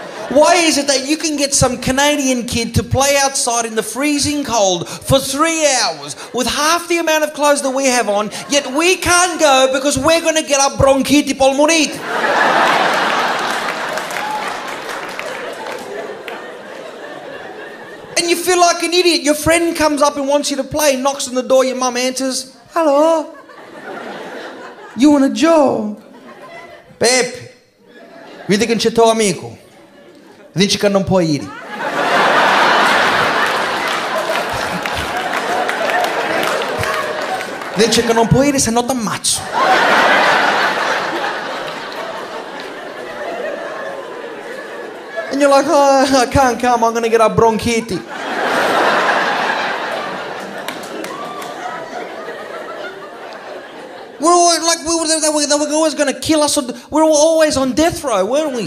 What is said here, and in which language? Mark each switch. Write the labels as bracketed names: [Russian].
[English] Why is it that you can get some Canadian kid to play outside in the freezing cold for 3 hours with half the amount of clothes that we have on, yet we can't go because we're going to get our bronchitis pulmonite? You feel like an idiot. Your friend comes up and wants you to play, knocks on the door, your mum answers, hello, you want a job? [Italian] Pep, vedi che c'è tuo amico, dici che non puoi ir. Dici che non puoi ir se no ti ammazzo. [English] And you're like, oh, I can't come, I'm gonna get a bronchitis. They were always going to kill us. We were always on death row, weren't we?